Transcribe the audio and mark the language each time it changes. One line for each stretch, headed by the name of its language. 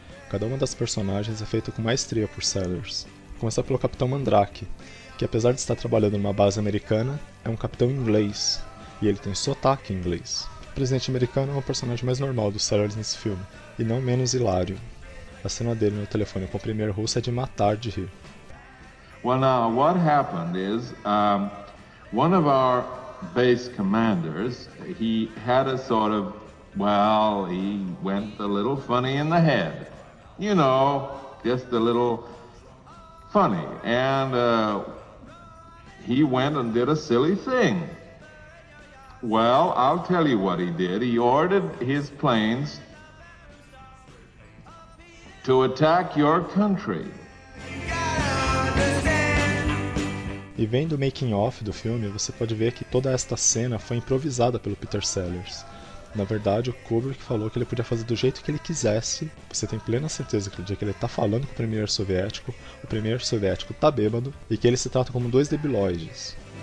Portuguese: Cada uma das personagens é feita com maestria por Sellers. Começar pelo Capitão Mandrake, que apesar de estar trabalhando numa base americana, é um capitão inglês, e ele tem sotaque inglês. O Presidente Americano é o personagem mais normal do Sellers nesse filme, e não menos hilário. A cena dele no telefone com o primeiro russo é de matar de rir.
English: Well, now, what happened is one of our base commanders, he had a sort of, well, he went a little funny in the head. You know, just a little funny. And he went and did a silly thing. Well, I'll tell you what he did. He ordered his planes to attack your country.
Portuguese: E vendo o making of do filme, você pode ver que toda esta cena foi improvisada pelo Peter Sellers. Na verdade, o Kubrick falou que ele podia fazer do jeito que ele quisesse. Você tem plena certeza que no dia que ele está falando com o Premier Soviético está bêbado, e que eles se tratam como 2 debiloides.